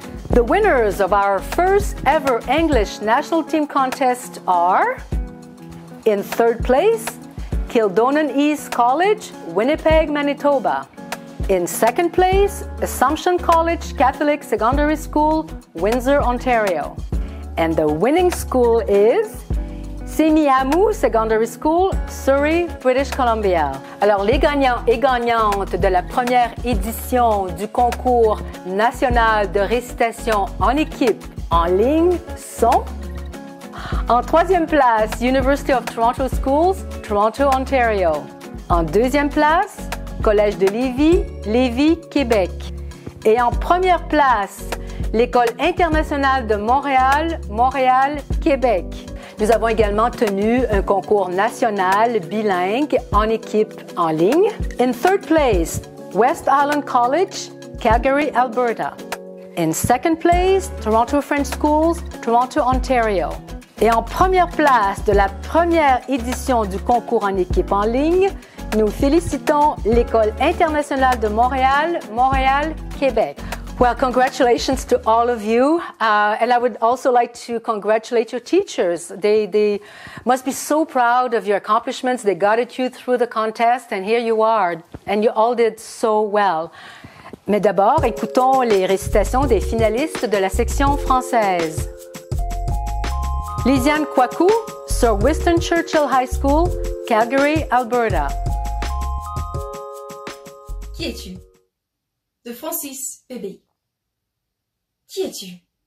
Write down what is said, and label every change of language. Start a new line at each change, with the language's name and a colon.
English: The winners of our first ever English national team contest are, in third place, Kildonan East College, Winnipeg, Manitoba. In second place, Assumption College Catholic Secondary School, Windsor, Ontario. And the winning school is Simiamu Secondary School, Surrey, British Columbia.
French: Alors les gagnants et gagnantes de la première édition du concours national de récitation en équipe en ligne sont en troisième place, University of Toronto Schools, Toronto, Ontario. En deuxième place, Collège de Lévis, Lévis, Québec. Et en première place, l'École internationale de Montréal, Montréal, Québec. Nous avons également tenu un concours national bilingue en équipe en ligne.
English: In third place, West Island College, Calgary, Alberta. In second place, Toronto French Schools, Toronto, Ontario.
French: Et en première place de la première édition du concours en équipe en ligne, nous félicitons l'École internationale de Montréal, Montréal, Québec.
English: Well, congratulations to all of you. And I would also like to congratulate your teachers. They must be so proud of your accomplishments. They guided you through the contest, and here you are. And you all did so well.
French: Mais d'abord, écoutons les récitations des finalistes de la section française. Lisiane Kwaku, Sir Winston Churchill High School, Calgary, Alberta. Qui es-tu? De Francis Pébé. Qui es-tu?